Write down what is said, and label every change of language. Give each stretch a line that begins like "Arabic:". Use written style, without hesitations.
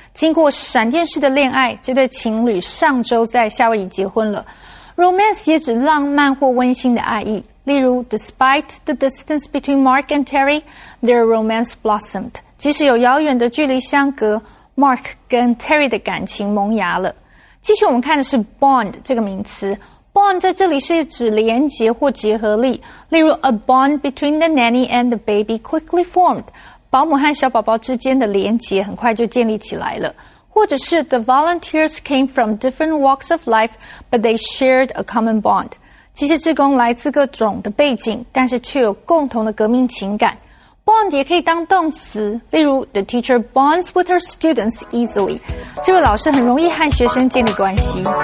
Chinese: 经过闪电式的恋爱，这对情侣上周在夏威夷结婚了。 Romance 也指浪漫或温馨的爱意。例如
English: ,despite the distance between Mark and Terry, their romance blossomed.
Chinese: 即使有遥远的距离相隔 ,Mark 跟 Terry 的感情萌芽了。继续我们看的是 bond 这个名词。bond 在这里是指连结或结合力。例如
English: ,a bond between the nanny and the baby quickly formed.
Chinese: 保姆和小宝宝之间的连结很快就建立起来了。或者是
English: ,the volunteers came from different walks of life, but they shared a common bond.
Chinese: 其实志工来自各种的背景但是却有共同的革命情感。
English: Bond
Chinese: 也可以当动词，例如
English: The teacher bonds with her students easily.
Chinese: 这位老师很容易和学生建立关系。